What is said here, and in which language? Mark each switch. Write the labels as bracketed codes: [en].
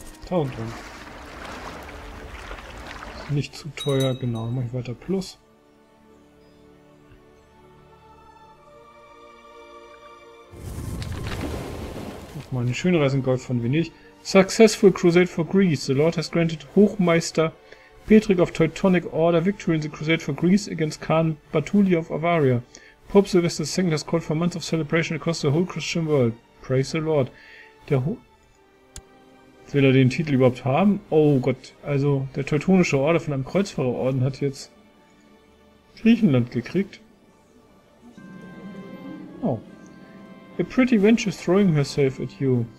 [de] Oh, und nicht zu teuer, genau. Mache ich weiter plus. Nochmal eine schöne Reise in Golf von Venedig. [en] Successful Crusade for Greece. The Lord has granted Hochmeister Petrik of Teutonic Order victory in the Crusade for Greece against Khan Batuli of Avaria. Pope Sylvester II has called for months of celebration across the whole Christian world. Praise the Lord. [de] Der Ho Will er den Titel überhaupt haben? Oh Gott, also der Teutonische Orden von einem Kreuzfahrerorden hat jetzt Griechenland gekriegt. Oh. [en] A pretty wench is throwing herself at you.